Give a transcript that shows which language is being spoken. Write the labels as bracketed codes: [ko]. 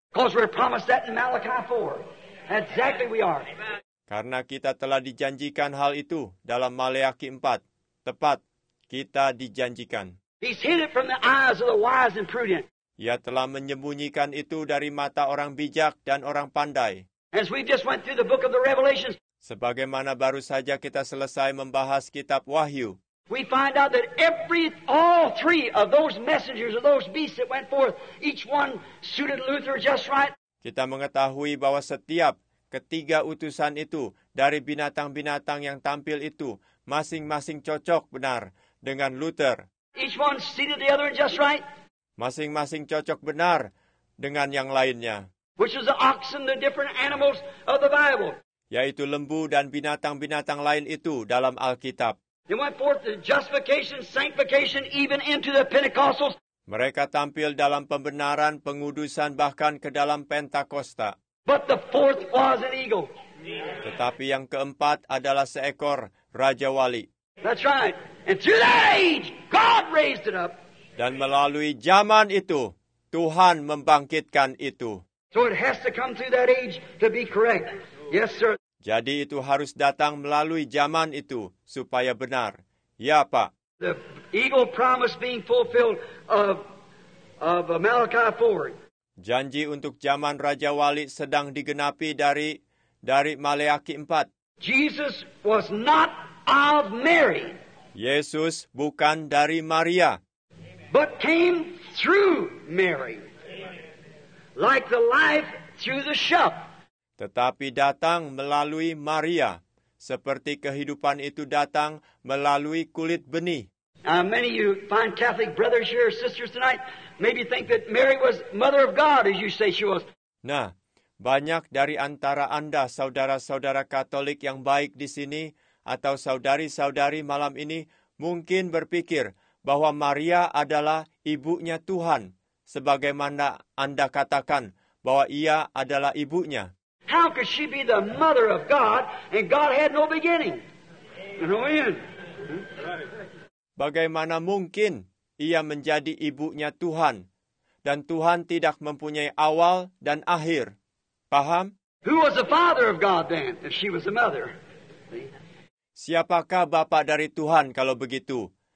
[en] Because we're promised that in Malachi 4. Exactly we are. [id] Karena kita telah dijanjikan hal itu dalam Maleakhi 4. Tepat, kita dijanjikan. [en] He's hid it from the eyes of the wise and prudent. [id] Ia telah menyembunyikan itu dari mata orang bijak dan orang pandai. [en] As we just went through the book of the Revelations. [id] Sebagaimana baru saja kita selesai membahas kitab Wahyu. [en] We find out that all three of those messengers of those beasts that went forth, each one suited Luther just right. [id] Kita mengetahui bahwa setiap ketiga utusan itu dari binatang-binatang yang tampil itu masing-masing cocok benar dengan Luther. [en] Each one suited the other just right. [id] Masing-masing cocok benar dengan yang lainnya. [en] Which is the oxen, the different animals of the Bible. [id] Yaitu lembu dan binatang-binatang lain itu dalam Alkitab. [en] They went forth to justification, sanctification, even into the Pentecostals. [id] Mereka tampil dalam pembenaran, pengudusan, bahkan ke dalam Pentakosta. [en] But the fourth was an eagle. [id] Tetapi yang keempat adalah seekor Raja Wali. [en] That's right. And through the age, God raised it up. [id] Dan melalui zaman itu, Tuhan membangkitkan itu. [en] So it has to come through that age to be correct. Yes, sir. [id] Jadi itu harus datang melalui zaman itu supaya benar. Ya, Pak. [en] The eagle promise being fulfilled of Malachi 4. [id] Janji untuk zaman Raja Wali sedang digenapi dari Maleakhi 4. [en] Jesus was not of Mary. [id] Yesus bukan dari Maria. [en] But came through Mary. Like the life through the shop. [id] Tetapi datang melalui Maria, seperti kehidupan itu datang melalui kulit benih. [en] Many of you fine Catholic brothers here, sisters tonight, maybe think that Mary was mother of God, as you say she was. [id] Nah, banyak dari antara Anda, saudara-saudara Katolik yang baik di sini, atau saudari-saudari malam ini, mungkin berpikir bahwa Maria adalah ibunya Tuhan, sebagaimana Anda katakan bahwa ia adalah ibunya. [en] How could she be the mother of God and God had no beginning? No end. [id] Bagaimana mungkin ia menjadi ibunya Tuhan dan Tuhan tidak mempunyai awal dan akhir? Paham? [en] Who was the father of God then if she was the mother? [id] Siapakah bapa dari Tuhan kalau begitu?